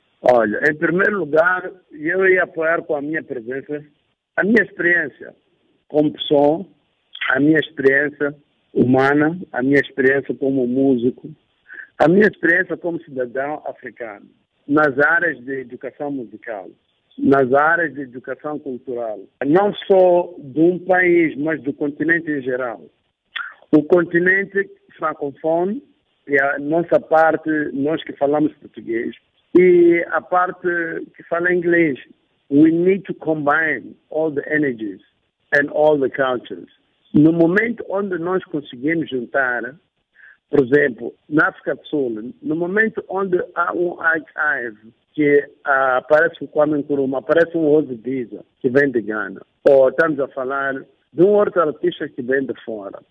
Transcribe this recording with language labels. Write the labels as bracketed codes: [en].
[pt] Olha, em primeiro lugar, eu ia apoiar com a minha presença, a minha experiência como pessoa, a minha experiência humana, a minha experiência como músico, a minha experiência como cidadão africano, nas áreas de educação musical, nas áreas de educação cultural, não só de um país, mas do continente em geral. O continente francófono, e a nossa parte, nós que falamos português, e a parte que fala inglês. [en] We need to combine all the energies and all the cultures. [pt] No momento onde nós conseguimos juntar, por exemplo, na África do Sul, no momento onde há um archive que aparece o Kwame Nkrumah, aparece um Rose Biza, que vem de Ghana, ou estamos a falar de um outro artista que vem de fora.